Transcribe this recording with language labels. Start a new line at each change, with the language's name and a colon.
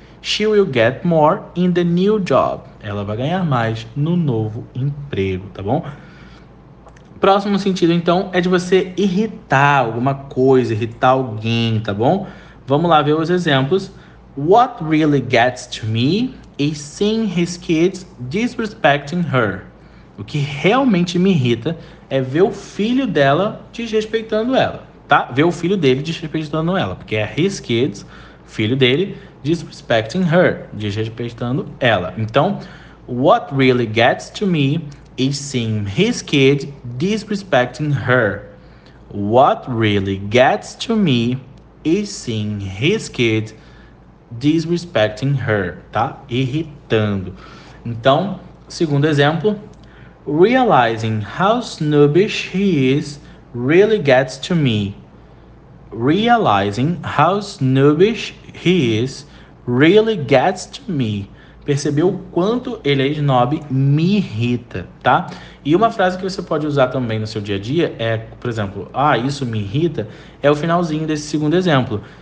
English: She will get more in the new job.
Portuguese: Ela vai ganhar mais no novo emprego, tá bom? Próximo sentido, então, é de você irritar alguma coisa, irritar alguém, tá bom? Vamos lá ver os exemplos.
English: What really gets to me is seeing his kids disrespecting her.
Portuguese: O que realmente me irrita é ver o filho dela desrespeitando ela, tá? Ver o filho dele desrespeitando ela, porque é
English: his kids,
Portuguese: filho dele,
English: disrespecting her,
Portuguese: desrespeitando ela.
English: Então, what really gets to me is seeing his kid disrespecting her. What really gets to me is seeing his kid disrespecting her, tá?
Portuguese: Irritando. Então, segundo exemplo,
English: realizing how snobbish he is really gets to me. Realizing how snobbish he is really gets to me.
Portuguese: Percebeu o quanto ele é snob me irrita, tá? E uma frase que você pode usar também no seu dia a dia é, por exemplo, ah, isso me irrita, é o finalzinho desse segundo exemplo.